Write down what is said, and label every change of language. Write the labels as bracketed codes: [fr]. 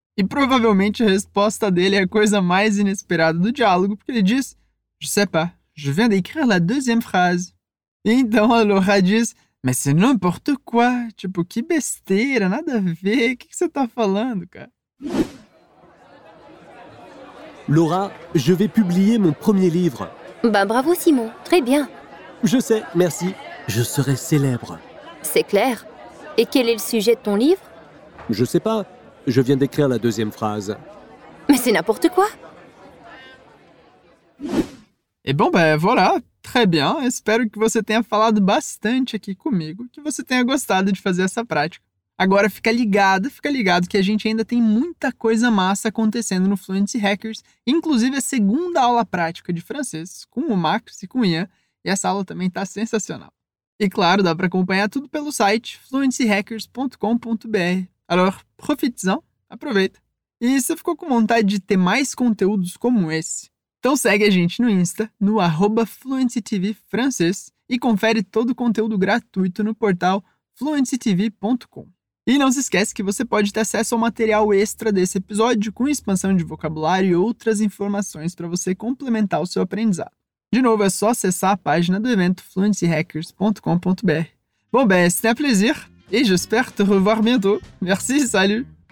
[pt] E provavelmente a resposta dele é a coisa mais inesperada do diálogo, porque ele diz: [fr] Je sais pas, je viens d'écrire la deuxième phrase. [pt] E então a Laura diz: Mas [fr] c'est n'importe quoi, [pt] tipo, que besteira, nada a ver, o que você tá falando, cara? [fr] Laura, je vais publier mon premier livre. Ben bravo Simon, très bien. Je sais, merci, je serai célèbre. C'est clair. Et quel est le sujet de ton livre? Je sais pas, je viens d'écrire la deuxième phrase. Mais c'est n'importe quoi. Et bon, ben voilà. Très bien, [pt] espero que você tenha falado bastante aqui comigo, que você tenha gostado de fazer essa prática. Agora fica ligado que a gente ainda tem muita coisa massa acontecendo no Fluency Hackers, inclusive a segunda aula prática de francês, com o Max e com o Ian, e essa aula também está sensacional. E claro, dá para acompanhar tudo pelo site fluencyhackers.com.br. [fr] Alors, profite-en, [pt] aproveita! E se ficou com vontade de ter mais conteúdos como esse, então segue a gente no Insta, no @fluencytvfrancês, e confere todo o conteúdo gratuito no portal fluencytv.com. E não se esquece que você pode ter acesso ao material extra desse episódio, com expansão de vocabulário e outras informações para você complementar o seu aprendizado. De novo, é só acessar a página do evento fluencyhackers.com.br. [fr] Bon ben, c'est un plaisir, et j'espère te revoir bientôt. Merci, salut!